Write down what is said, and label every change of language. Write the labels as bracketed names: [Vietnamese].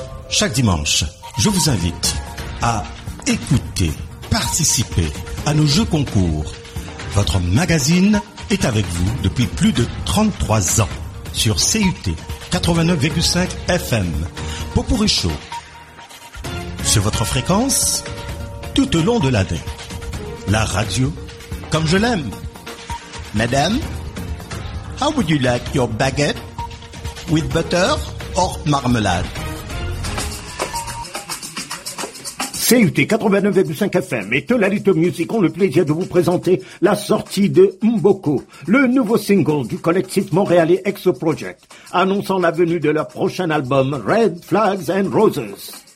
[French] Chaque dimanche, je vous invite à écouter, participer à nos jeux concours. Votre magazine est avec vous depuis plus de 33 ans sur CUT 89,5 FM. Popourri Show, sur votre fréquence, tout au long de l'année. La radio, comme je l'aime. [English] Madame, how would you like your baguette with butter or marmalade? [French] CUT 89,5 FM et Tolalito Music ont le plaisir de vous présenter la sortie de Mboko, le nouveau single du collectif montréalais Exo Project, annonçant la venue de leur prochain album Red Flags and Roses.